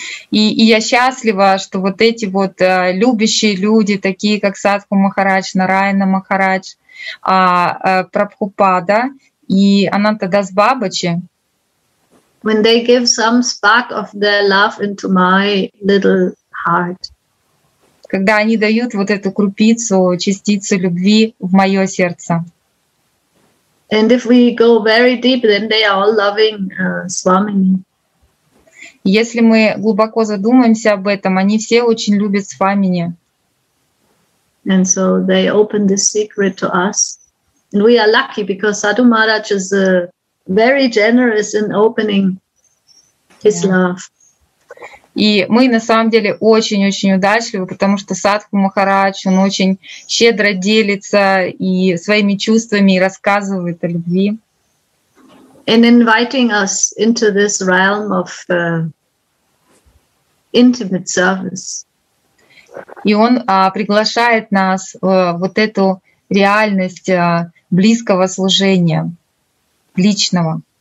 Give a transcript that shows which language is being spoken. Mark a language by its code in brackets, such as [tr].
[ru] И я счастлива, что вот эти вот любящие люди, такие как Садху Махарадж, Нараяна Махарадж, Прабхупада и Ананта Дас Бабаджи. [en] When they give some spark of their love into my little heart. [ru] Когда они дают вот эту крупицу, частицу любви в мое сердце. [en] And if we go very deep, then they are all loving Swamini. [ru] Если мы глубоко задумаемся об этом, они все очень любят Свамини. [en] And so they open this secret to us. And we are lucky because Sadhu Maharaj is very generous in opening his love. [ru] И мы на самом деле очень-очень удачливы, потому что Садху Махарадж, он очень щедро делится и своими чувствами и рассказывает о любви. [en] And inviting us into this realm of intimate service. [ru] И он приглашает нас вот эту реальность близкого служения, личного.